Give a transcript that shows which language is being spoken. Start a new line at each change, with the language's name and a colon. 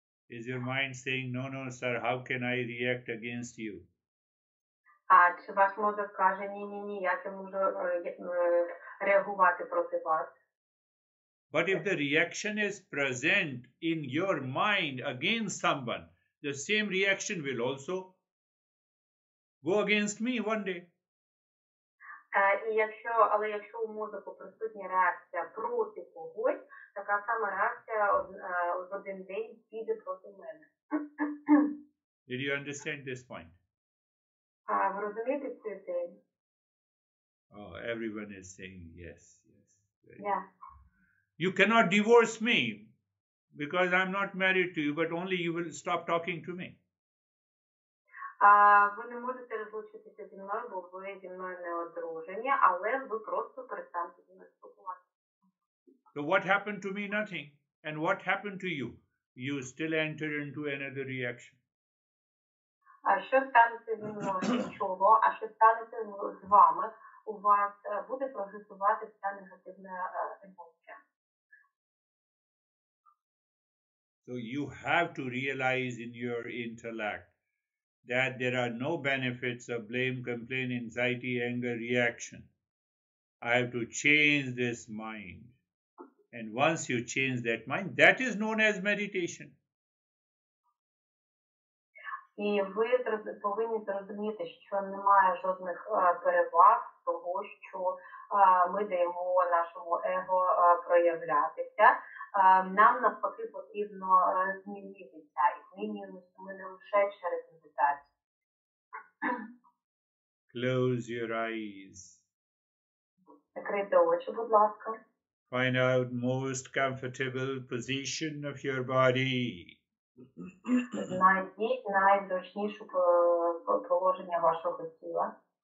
English: Is your mind saying, no, no, sir, how can I react against you?
Ukrainian: А чи ваш мозок каже, ні-ні-ні, я не можу реагувати проти вас?
English: But if the reaction is present in your mind against someone, the same reaction will also go against me one day.
Ukrainian: Якщо у мозку присутня реакція проти когось, така сама реакція в один день піде проти мене.
English: Did you understand this point?
Ukrainian: Ви розумієте цю ідею?
English: Oh, everyone is saying yes, yes. Yeah. You cannot divorce me because I'm not married to you, but only you will stop talking to me.
Ukrainian: Ви не можете розлучитися зі мною, бо ви зі мною не одружені, але ви просто перестанете зі мною спілкуватися.
English: So what happened to me? Nothing. And what happened to you? You still enter into another reaction.
Ukrainian: А що станеться зі мною? Нічого. А що станеться з вами? У вас буде прогресувати ця негативна емоція.
English: So you have to realize in your intellect that there are no benefits of blame, complaint, anxiety, anger, reaction. I have to change this mind. And once you change that mind, that is known as meditation.
Ukrainian: І ви повинні зрозуміти, що немає жодних переваг того, що ми даємо нашому его проявлятися. Нам навпаки потрібно змінитися і змінюємося ми не лише через медитацію.
English: Close your eyes.
Ukrainian: Закрийте очі, будь ласка.
English: Find out most comfortable position of your body.
Ukrainian: Знайдіть найзручніше положення вашого тіла.